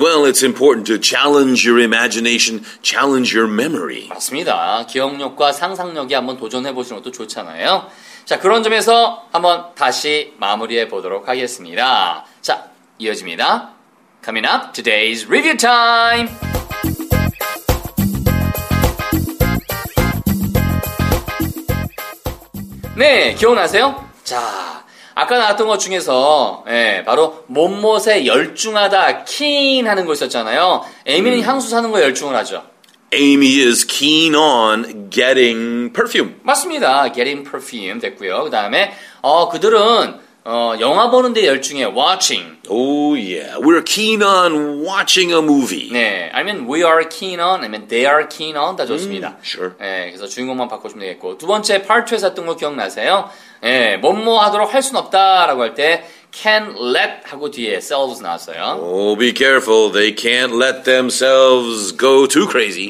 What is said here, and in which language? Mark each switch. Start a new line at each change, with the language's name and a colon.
English: Well, it's important to challenge your imagination, challenge your memory.
Korean: 맞습니다. 기억력과 상상력이 한번 도전해보시는 것도 좋잖아요. 자, 그런 점에서 한번 다시 마무리해보도록 하겠습니다. 자, 이어집니다.
English: Coming up, today's review time!
Korean: Hey, 기억나세요? 자, 아까 나왔던 것 중에서 예, 바로 뭐뭐에 열중하다, keen 하는 거 있었잖아요. 에이미는 향수 사는 거 열중을 하죠.
English: Amy is keen on getting perfume.
Korean: 맞습니다.
English: Getting perfume
Korean: 됐고요. 그 다음에 그들은 영화 보는데 열중해.
English: Watching. Oh yeah, we're keen on watching a movie. 네, I mean we are keen on, I mean they are keen on
Korean: 다 좋습니다.
English: Sure.
Korean: 네, 그래서 주인공만 바꿔주면 되겠고 두 번째 파트에서 했던 거 기억나세요? 네, 뭐뭐 하도록 할 순 없다라고 할 때 can let 하고 뒤에 selves 나왔어요.
English: Oh, be careful. They can't let themselves go too crazy.